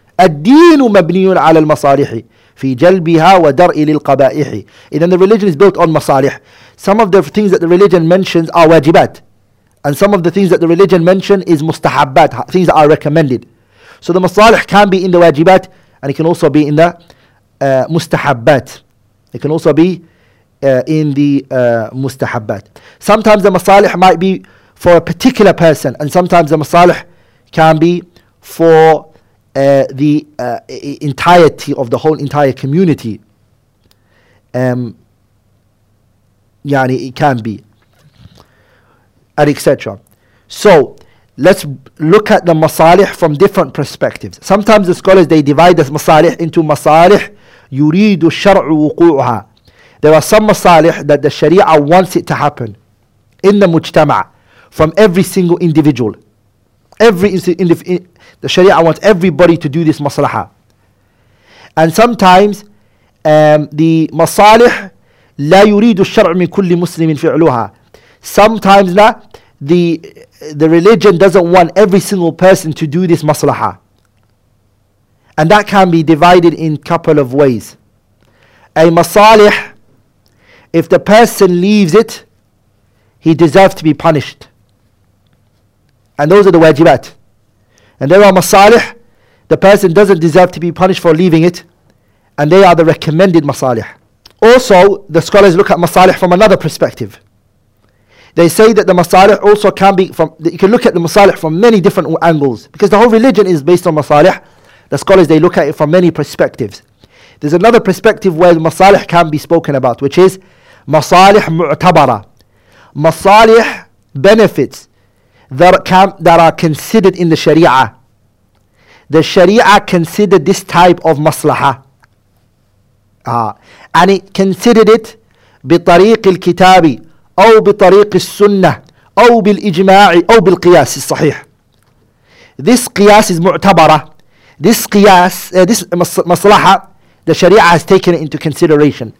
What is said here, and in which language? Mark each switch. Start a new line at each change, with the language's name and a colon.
Arabic: الدين مبني على المصالح في جلبها ودرء للقبائح.
English: Then the religion is built on مصالح. Some of the things that the religion mentions are واجبات. And some of the things that the religion mentions is مستحبات. Things that are recommended. So the مصالح can be in the واجبات and it can also be in the مستحبات. It can also be in the مستحبات. Sometimes the مصالح might be for a particular person, and sometimes the masalih can be for the entirety of the whole entire community. Yani it can be, and etc. So let's look at the masalih from different perspectives. Sometimes the scholars, they divide the masalih into
Arabic: masalih yuridu shar'u wuqu'uha.
English: There are some masalih that the sharia wants it to happen in the mujtama'. From every single individual. The Sharia wants everybody to do this maslaha. And sometimes, the masalih,
Arabic: لا يريد الشرع من كل مسلم فعلوها.
English: Sometimes, the religion doesn't want every single person to do this maslaha. And that can be divided in a couple of ways. A masalih, if the person leaves it, he deserves to be punished. And those are the wajibat. And there are masalih, the person doesn't deserve to be punished for leaving it. And they are the recommended masalih. Also, the scholars look at masalih from another perspective. They say that the masalih also can be from, you can look at the masalih from many different angles. Because the whole religion is based on masalih. The scholars, they look at it from many perspectives. There's another perspective where masalih can be spoken about, which is masalih mu'tabara. Masalih benefits that are considered in the Sharia. The Sharia considered this type of maslaha. And it considered it
Arabic: بطريق الكتاب أو بطريق السنة أو بالإجماع أو بالقياس الصحيح.
English: This قياس is معتبرة. This قياس, this maslaha, the Sharia has taken it into consideration.